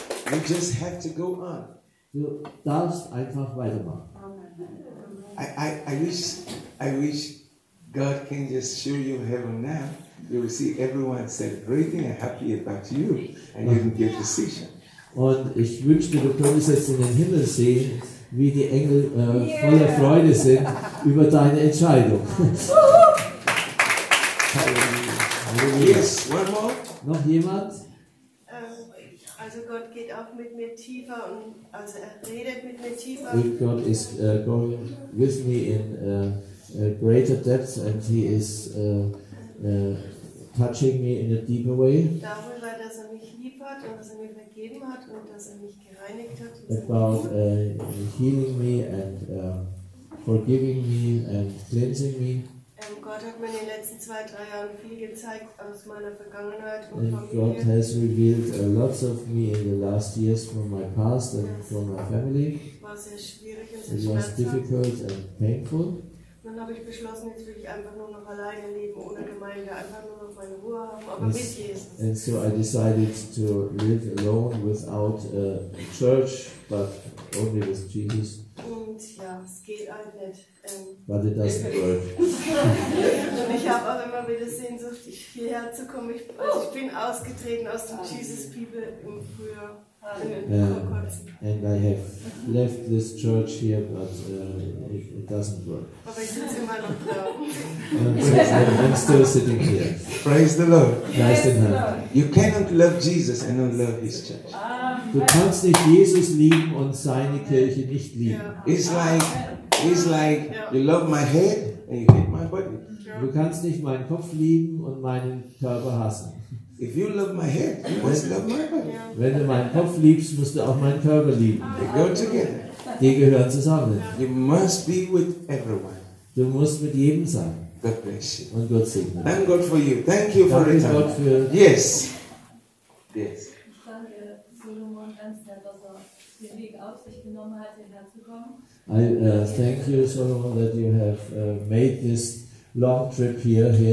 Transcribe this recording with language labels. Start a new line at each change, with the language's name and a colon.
English: You just have to go on.
German: Du darfst einfach weitermachen.
English: I wish God can just show you heaven now. You will see everyone celebrating and happy about you, and you can get decision.
German: Und ich wünschte, du könntest jetzt in den Himmel sehen, wie die Engel voller Freude sind über deine Entscheidung.
English: Yes, one more.
German: Noch jemand? Also Gott geht auch mit mir tiefer und also er redet mit mir tiefer.
English: If God is going with me in greater depths and he is touching me in a deeper way.
German: Darüber, dass er mich lieb hat und dass er mir vergeben hat und dass er mich gereinigt hat.
English: About healing me and forgiving me and cleansing me.
German: Gott hat mir in den letzten 2-3 Jahren viel gezeigt aus meiner Vergangenheit und Familie.
English: God has revealed lots of me in the last years from my past and from my family.
German: War sehr schwierig und sehr schmerzhaft.
English: It was difficult and painful.
German: Dann habe ich beschlossen, jetzt will ich einfach nur noch alleine leben, ohne Gemeinde, einfach nur noch meine Ruhe haben, aber mit Jesus.
English: And so I decided to live alone without a church, but only with Jesus.
German: Und ja, es geht halt nicht.
English: But it doesn't work.
German: Und ich habe auch immer wieder Sehnsucht, hierher zu kommen. Ich bin ausgetreten aus dem Jesus People im Frühjahr.
English: And I have left this church here, but it doesn't work. I'm still sitting here. Praise the Lord. Christ in heaven. You cannot love Jesus and not love his church.
German: Du kannst nicht Jesus lieben und seine Kirche nicht lieben.
English: It's like you love my head and you hate my body.
German: Du kannst nicht meinen Kopf lieben und meinen Körper hassen.
English: If you love my head, you must love my body.
German: Wenn du meinen Kopf liebst, musst du auch meinen Körper lieben.
English: They go together.
German: Die gehören zusammen.
English: You must be with everyone.
German: Du musst mit jedem sein.
English: God bless you.
German: Und Gott segne dich.
English: Thank God for you. Thank you for it. Gott für. Yes. Yes.
German: Ich danke Solomon ganz sehr, dass er den Weg auf sich genommen hat, hierher zu kommen.
English: I thank you, Solomon, that you have made this long trip here.